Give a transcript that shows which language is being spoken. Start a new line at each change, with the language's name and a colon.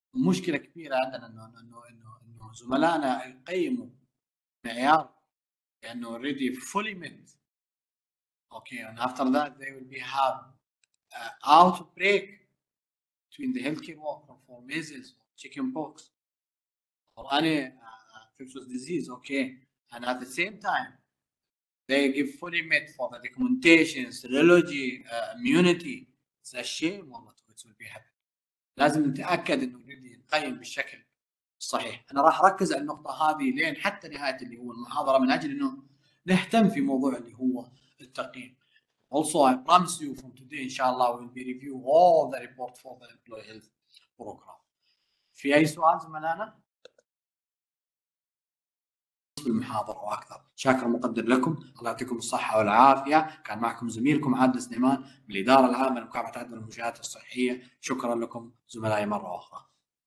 Arabic: مشكلة كبيرة عندنا انه زملائنا يقيموا معيار لانه
English: already fully met okay and after that they will be have outbreak between the healthcare worker for measles or chicken pox or any infectious disease okay and at the same time They give fully met for the documentation, serology, immunity. It's a shame والله to which will be happening.
Arabic: لازم نتأكد انه ريدي نقيم بالشكل الصحيح. انا راح اركز على النقطة هذه لين حتى نهاية اللي هو المحاضرة من اجل انه نهتم في موضوع اللي هو التقييم.
English: Also I promise you from today ان شاء الله we'll be review all the report for the employee health program.
Arabic: في اي سؤال زملائنا؟ المحاضرة وأكثر شاكر مقدر لكم الله يعطيكم الصحة والعافية كان معكم زميلكم عادل سليمان من الإدارة العامة لمكافحة عدم المنشآت الصحية شكرا لكم زملائي مرة أخرى